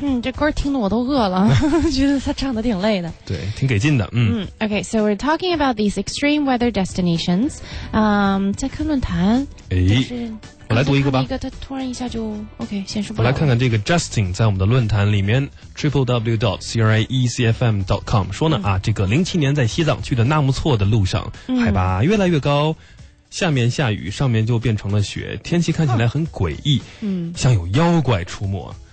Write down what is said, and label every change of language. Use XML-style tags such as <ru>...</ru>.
<zh>嗯，这歌听得我都饿了，觉得他唱得挺累的。对，挺给劲的。嗯。</zh> <en>Okay, so we're talking about these extreme weather destinations.</en> <zh>在看论坛。哎。我来读一个吧。一个，他突然一下就 OK， 先说。我来看看这个 Justin 在我们的论坛里面 www.criecfm.com 说呢，这个07年在西藏去的纳木错的路上，海拔越来越高。下面下雨，上面就变成了雪，天气看起来很诡异，像有妖怪出没。</zh>